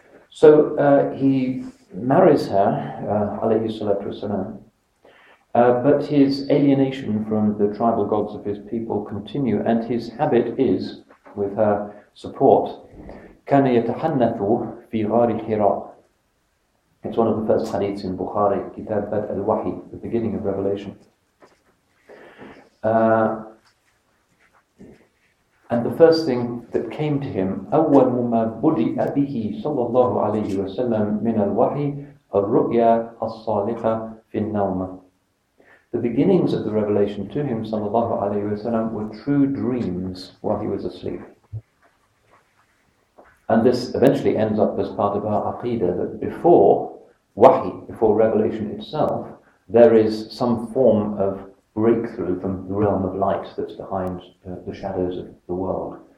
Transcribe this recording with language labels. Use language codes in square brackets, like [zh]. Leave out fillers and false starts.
[en] So he marries her, alayhi salatu wasalam, but his alienation from the tribal gods of his people continue, and his habit is, with her [ar] support. كان يتحنث في غار حراء. [en] It's one of the first hadiths in Bukhari, Kitab al-Wahi, the beginning of Revelation. And the first thing that came to him, [ar] أول مما بدأ به صلى الله عليه وسلم من الوحي الرؤيا الصالحة في النوم. [en] The beginnings of the revelation to him, [ar] صلى الله عليه وسلم, [en] were true dreams while he was asleep. And this eventually ends up as part of our aqidah, that before wahi, before revelation itself, there is some form of breakthrough from the realm of light that's behind the shadows of the world.